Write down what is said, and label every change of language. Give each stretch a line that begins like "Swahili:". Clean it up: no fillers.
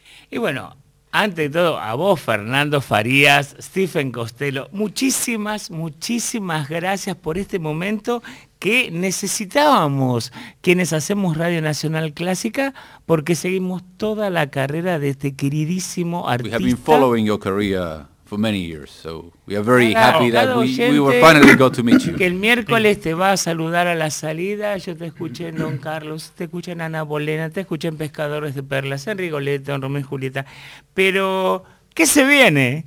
Spanish: Y bueno, ante todo, a vos, Fernando Farías, Stephen Costello, muchísimas, muchísimas gracias por este momento que necesitábamos quienes hacemos Radio Nacional Clásica, porque seguimos toda la carrera de este queridísimo artista.
English: We have been following your career for many years, so we are very happy that we finally got to meet you.
Spanish: Que el miércoles te va a saludar a la salida, yo te escuché en Don Carlos, te escuché en Ana Bolena, te escuché en Pescadores de Perlas, en Rigoletto, en Romeo y Julieta, pero ¿qué se viene?